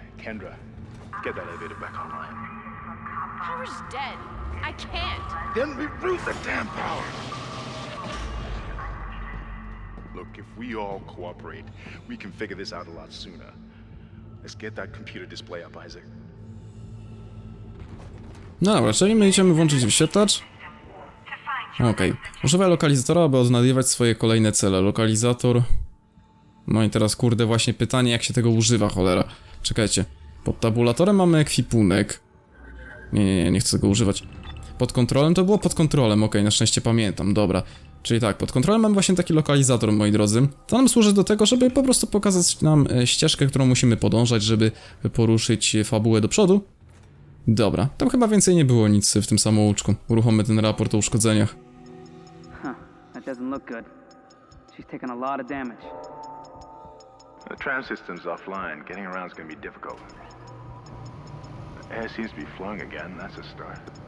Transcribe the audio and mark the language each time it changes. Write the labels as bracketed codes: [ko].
[en] Kendra, get that elevator back online. Power's dead. I can't. Then reroute the damn power. Look, if we all cooperate, we can figure this out a lot sooner. Let's get that computer display up, Isaac. [pl] No dobra, czyli my idziemy włączyć wyświetlacz. Okej, okay. Używaj lokalizatora, aby odnajdywać swoje kolejne cele. Lokalizator. No i teraz kurde właśnie pytanie, jak się tego używa, cholera. Czekajcie, pod tabulatorem mamy ekwipunek. Nie, nie chcę tego używać. Pod kontrolem, to było pod kontrolem, okej, okay, na szczęście pamiętam, dobra. Czyli tak, pod kontrolem mamy właśnie taki lokalizator, moi drodzy. To nam służy do tego, żeby po prostu pokazać nam ścieżkę, którą musimy podążać, żeby poruszyć fabułę do przodu. Dobra, tam chyba więcej nie było nic w tym samouczku. Uruchommy ten raport o uszkodzeniach. [en] Huh, that doesn't look good. She's taken a lot of damage. The tram system's offline. Getting around's gonna be difficult. The air seems to be flowing again. That's a start.